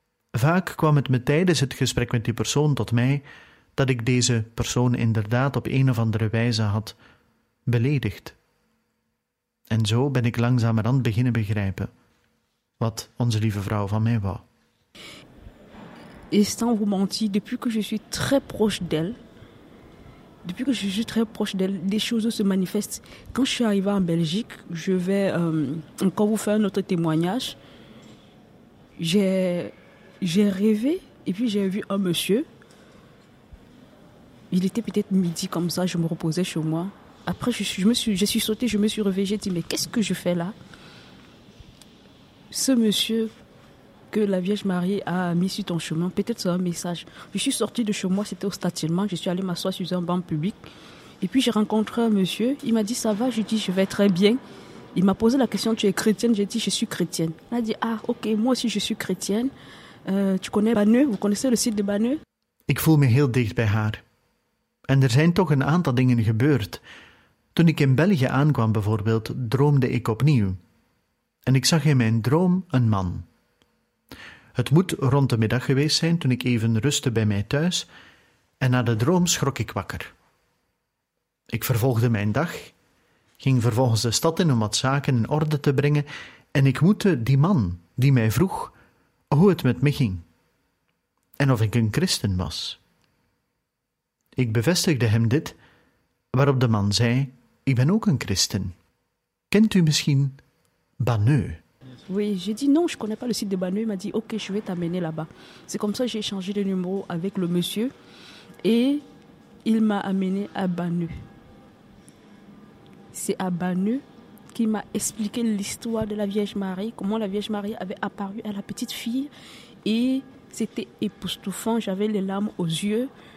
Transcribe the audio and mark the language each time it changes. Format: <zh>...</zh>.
<nl>Vaak kwam het me tijdens het gesprek met die persoon tot mij dat ik deze persoon inderdaad op een of andere wijze had beledigd. En zo ben ik langzamerhand beginnen begrijpen wat onze lieve vrouw van mij wou.</nl> <fr>Et sans vous mentir, depuis que je suis très proche d'elle, des choses se manifestent. Quand je suis arrivé en Belgique, je vais encore vous faire un autre témoignage. J'ai rêvé et puis j'ai vu un monsieur. Il était peut-être midi comme ça, je me reposais chez moi. Après, je me suis sautée, je me suis réveillée, j'ai dit, mais qu'est-ce que je fais là? Ce monsieur que la Vierge Marie a mis sur ton chemin, peut-être c'est un message. Je suis sortie de chez moi, c'était au stationnement, je suis allée m'asseoir sur un banc public. Et puis j'ai rencontré un monsieur, il m'a dit, ça va? Je dis, je vais très bien. Il m'a posé la question, tu es chrétienne? J'ai dit, je suis chrétienne. Il a dit, ah ok, moi aussi je suis chrétienne. Tu connais Banneux? Vous connaissez le site de Banneux?</fr> <nl>Ik voel me heel dicht bij haar. En er zijn toch een aantal dingen gebeurd. Toen ik in België aankwam bijvoorbeeld, droomde ik opnieuw. En ik zag in mijn droom een man. Het moet rond de middag geweest zijn toen ik even rustte bij mij thuis en na de droom schrok ik wakker. Ik vervolgde mijn dag, ging vervolgens de stad in om wat zaken in orde te brengen en ik moette die man die mij vroeg hoe het met me ging en of ik een christen was. Ik bevestigde hem dit, waarop de man zei, ik ben ook een christen. Kent u misschien Banneux?</nl> <fr>Oui, j'ai dit non, je connais pas le site de Banneux. Il m'a dit, ok, je vais t'amener là-bas. C'est comme ça que j'ai échangé de numéro avec le monsieur et il m'a amené à Banneux. C'est à Banneux qu'il m'a expliqué l'histoire de la Vierge Marie, comment la Vierge Marie avait apparu à la petite fille et c'était époustouflant, j'avais les larmes aux yeux.</fr>